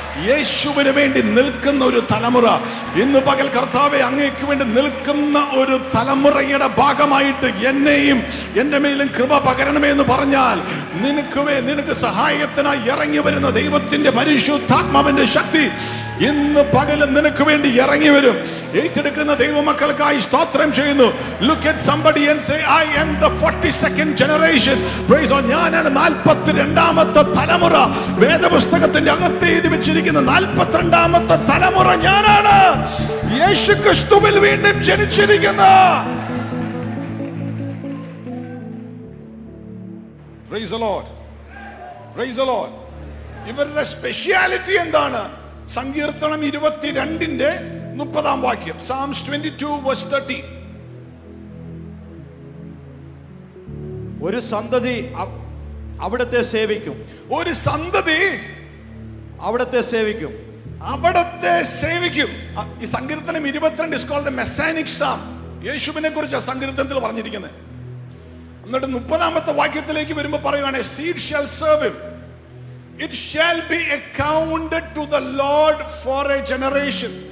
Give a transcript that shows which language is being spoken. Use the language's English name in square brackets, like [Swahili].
[Malayalam] യേശുവിന് വേണ്ടി നിൽക്കുന്ന ഒരു തലമുറ. ഇന്ന് പകൽ കർത്താവെ, അങ്ങേക്ക് വേണ്ടി നിൽക്കുന്ന ഒരു തലമുറയുടെ ഭാഗമായിട്ട് എന്നെയും എൻ്റെ മേലും കൃപ പകരണമേ എന്ന് പറഞ്ഞാൽ, നിനക്കുവേ നിനക്ക് സഹായത്തിനായി ഇറങ്ങി വരുന്ന ദൈവത്തിന്റെ പരിശുദ്ധാത്മാവിന്റെ ശക്തി ഇന്ന് പകലും നിനക്ക് വേണ്ടി ഇറങ്ങി വരും. ഏറ്റെടുക്കുന്ന ദൈവമക്കൾക്കായി സ്തോത്രം ചെയ്യുന്നു. [English] Look at somebody and say, I am the 42nd generation. Praise God. [Malayalam] ഞാനാണ് 42 തലമുറ. വേദപുസ്തകത്തിന്റെ അകത്ത് എഴുതി വെച്ചിരിക്കുന്ന 42 തലമുറ ഞാനാണ്. യേശു ക്രിസ്തുവിൽ വീണ്ടും ജനിച്ചിരിക്കുന്ന. [English] Praise the Lord. Praise the Lord. [Malayalam] ഇവരുടെ സ്പെഷ്യാലിറ്റി എന്താണ്? സങ്കീർത്തനം 22:30 Psalms 22:30. ഒരു സന്തതി അവിടത്തെ സേവിക്കും. ഒരു സന്തതി അവിടത്തെ സേവിക്കും. അവിടത്തെ സേവിക്കും. ഈ സങ്കീർത്തനം [English] 22 is called the messianic psalm. [Malayalam] യേശുവിനെ കുറിച്ച് സങ്കീർത്തനത്തിൽ പറഞ്ഞിരിക്കുന്നത്. എന്നിട്ട് 30 വാക്യത്തിലേക്ക് വരുമ്പോ പറയുകയാണ്, [English] seed shall serve him. It shall be accounted to the Lord for a generation.